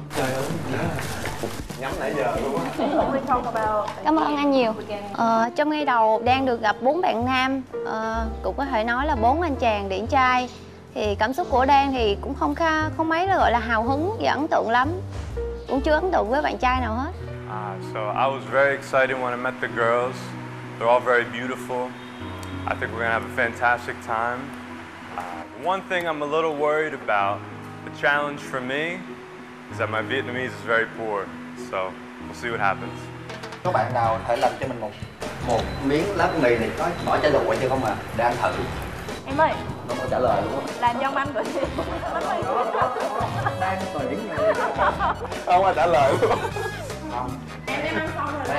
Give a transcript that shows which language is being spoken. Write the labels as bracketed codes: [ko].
[vi] Trời ơi, nhắm nãy giờ luôn á. Cảm ơn anh nhiều. Trong ngay đầu đang được gặp bốn bạn nam, cũng có thể nói là bốn anh chàng điển trai. Thì cảm xúc của Đan thì cũng không mấy là gọi là hào hứng và ấn tượng lắm. Cũng chưa ấn tượng với bạn trai nào hết. [en] So I was very excited when I met the girls. They're all very beautiful. I think we're gonna have a fantastic time. One thing I'm a little worried about, the challenge for me, is that my Vietnamese is very poor. So we'll see what happens. [vi] Có bạn nào thể làm cho mình một miếng lát mì này có bỏ trái lựu vậy chứ không à? Để anh thử. Em ơi. Nó không trả lời đúng không? Làm cho ông anh rồi. Đang tuyển này. Không ai trả lời luôn. Không.